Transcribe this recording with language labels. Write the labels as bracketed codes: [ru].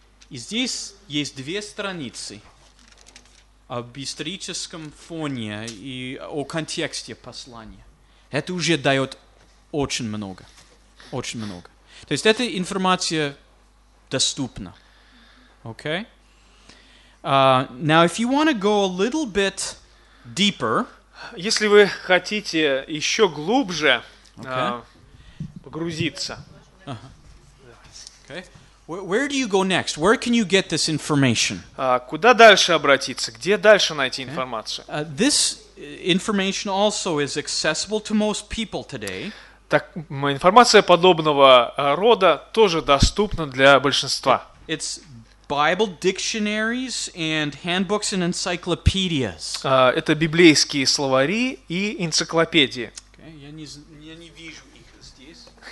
[ru] И здесь есть две страницы об историческом фоне и о контексте послания. Это уже дает очень много. Очень много. То есть эта информация доступна. [en] Okay? Now, if you want to go a little bit deeper, [ru] если вы хотите еще глубже погрузиться, [en] okay. Where do you go next? Where can you get this information? [ru] Куда дальше обратиться? Где дальше найти информацию? [en] This information also is accessible to most people today. [ru] Так, информация подобного рода тоже доступна для большинства. [en] It's Bible dictionaries and handbooks and encyclopedias. [ru] Это библейские словари и энциклопедии. Okay, я не вижу их здесь.